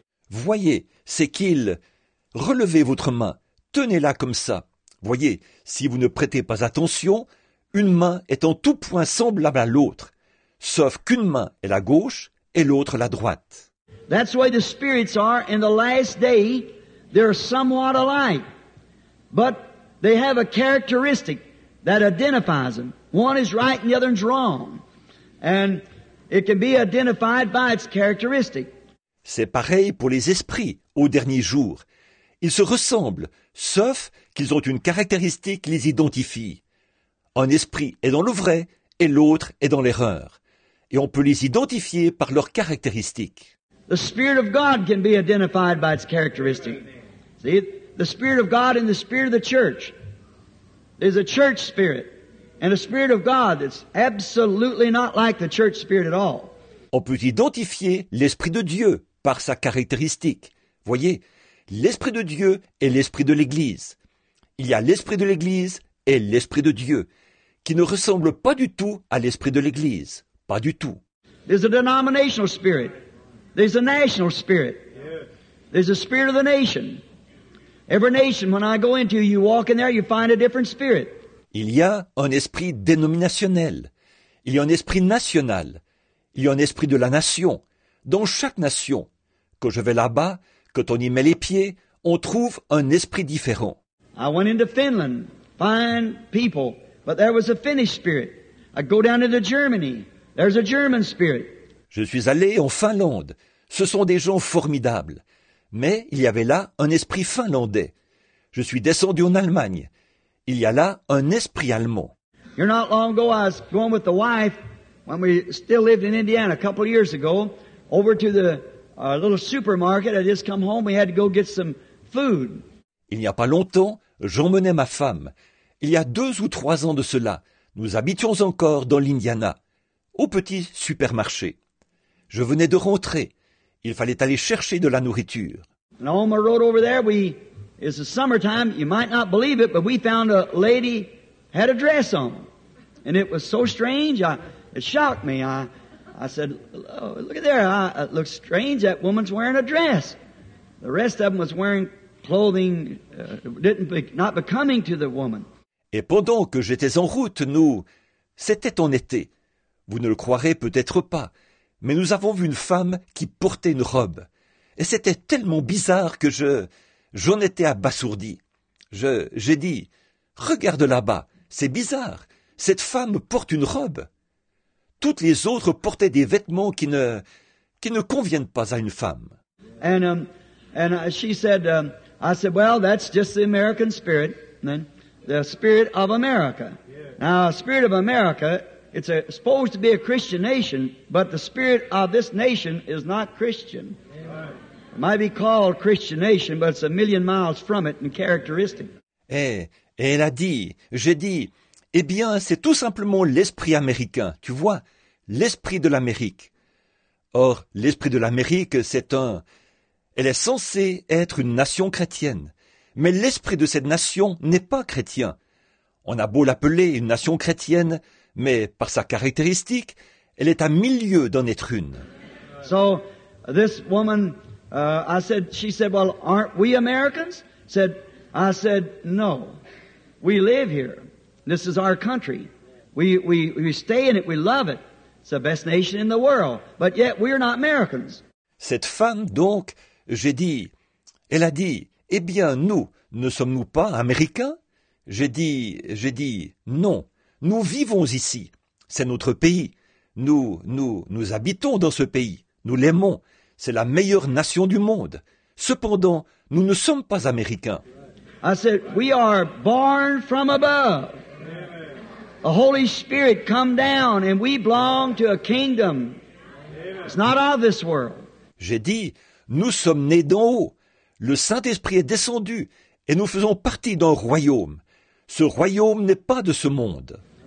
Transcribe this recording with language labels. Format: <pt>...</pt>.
<fr>Voyez, c'est qu'il... Relevez votre main, tenez-la comme ça. Voyez, si vous ne prêtez pas attention, une main est en tout point semblable à l'autre, sauf qu'une main est la gauche et l'autre la droite.</fr> <en>That's why the spirits are in the last day, they're somewhat alike, but they have a characteristic that identifies them. One is right and the other is wrong. And it can be identified by its characteristic.</en> <fr>C'est pareil pour les esprits au dernier jour. Ils se ressemblent, sauf qu'ils ont une caractéristique qui les identifie. Un esprit est dans le vrai et l'autre est dans l'erreur. Et on peut les identifier par leurs caractéristiques.</fr> <en>The Spirit of God can be identified by its characteristic. See, the Spirit of God and the Spirit of the Church. There's a church spirit and a spirit of God that's absolutely not like the church spirit at all.</en> <fr>On peut identifier l'Esprit de Dieu par sa caractéristique. Voyez, l'Esprit de Dieu est l'Esprit de l'Église. Il y a l'Esprit de l'Église et l'Esprit de Dieu qui ne ressemble pas du tout à l'Esprit de l'Église. Pas du tout.</fr> <en>There's a denominational spirit. There's a national spirit. There's a spirit of the nation. Every nation, when I go into you, you walk in there, you find a different spirit.</en> <fr>Il y a un esprit dénominationnel. Il y a un esprit national. Il y a un esprit de la nation. Dans chaque nation, quand je vais là-bas, quand on y met les pieds, on trouve un esprit différent.</fr> <en>I went into Finland, fine people, but there was a Finnish spirit. I go down into Germany, there's a German spirit.</en> <fr>Je suis allé en Finlande. Ce sont des gens formidables. Mais il y avait là un esprit finlandais. Je suis descendu en Allemagne. Il y a là un esprit allemand.</fr> <en>You're not long ago, I was going with the wife when we still lived in Indiana a couple of years ago over to the little supermarket. I just come home. We had to go get some food.</en> <fr>Il n'y a pas longtemps, j'emmenais ma femme. Il y a deux ou trois ans de cela, nous habitions encore dans l'Indiana, au petit supermarché. Je venais de rentrer. Il fallait aller chercher de la nourriture.</fr> <en>And on the road over there, it's the summertime. You might not believe it, but we found a lady had a dress on. And it was so strange, it shocked me. I said, oh, look at there. It looks strange. That woman's wearing a dress. The rest of them was wearing clothing not becoming to the woman.</en> <fr>Et pendant que j'étais en route, c'était en été. Vous ne le croirez peut-être pas, mais nous avons vu une femme qui portait une robe. Et c'était tellement bizarre que j'en étais abasourdi. J'ai dit, regarde là-bas, c'est bizarre, cette femme porte une robe. Toutes les autres portaient des vêtements qui ne conviennent pas à une femme.</fr> <en>Well, that's just the American spirit, the spirit of America. Now, spirit of America, it's supposed to be a Christian nation, but the spirit of this nation is not Christian. It might be called Christian nation, but it's a million miles from it in characteristic.</en> <fr>Et elle a dit, j'ai dit, eh bien, c'est tout simplement l'esprit américain, tu vois, l'esprit de l'Amérique. Or, l'esprit de l'Amérique, elle est censée être une nation chrétienne, mais l'esprit de cette nation n'est pas chrétien. On a beau l'appeler une nation chrétienne, mais par sa caractéristique, elle est à milieu d'en être une.</fr> <en>So, this woman, she said, well, aren't we Americans? I said, no, we live here. This is our country. We stay in it, we love it. It's the best nation in the world, but yet we're not Americans.</en> <fr>Cette femme, donc, j'ai dit, elle a dit, eh bien, ne sommes-nous pas Américains? J'ai dit, non, nous vivons ici, c'est notre pays, nous habitons dans ce pays, nous l'aimons, c'est la meilleure nation du monde. Cependant, nous ne sommes pas Américains.</fr> <en>I said, we are born from above. The Holy Spirit come down and we belong to a kingdom. It's not of this world.</en> <fr>J'ai dit, nous sommes nés d'en haut. Le Saint-Esprit est descendu et nous faisons partie d'un royaume. Ce royaume n'est pas de ce monde.</fr>